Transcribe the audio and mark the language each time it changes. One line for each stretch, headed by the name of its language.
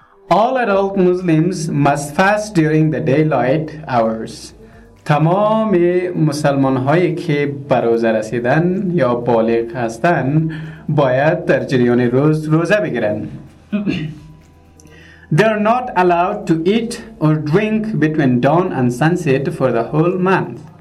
English: All adult Muslims must fast during the daylight hours.
Persian: تمام مسلمان هایی که به روزه رسیدن یا بالغ هستن باید در جریان روز روزه بگیرن.
English: They are not allowed to eat or drink between dawn and sunset for the whole month.